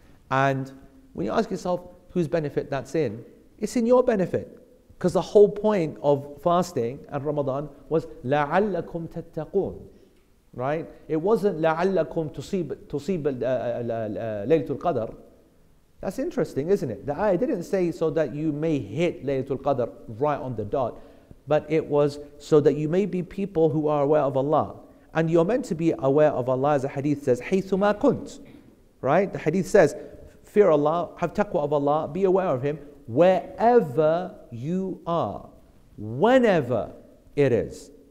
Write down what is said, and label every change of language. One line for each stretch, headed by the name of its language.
English: And when you ask yourself, whose benefit that's in? It's in your benefit. Because the whole point of fasting and Ramadan was
Arabic: لَعَلَّكُمْ تَتَّقُونَ,
English: right? It wasn't
Arabic: لَعَلَّكُمْ تُصِيبَ لَيْلَةُ الْقَدَرِ.
English: That's interesting, isn't it? The ayah didn't say so that you may hit Laylatul Qadr right on the dot, but it was so that you may be people who are aware of Allah. And you're meant to be aware of Allah, as the hadith says,
Arabic: حَيْثُ مَا كُنْتُ,
English: right? The hadith says, fear Allah, have taqwa of Allah, be aware of Him wherever you are, whenever it is.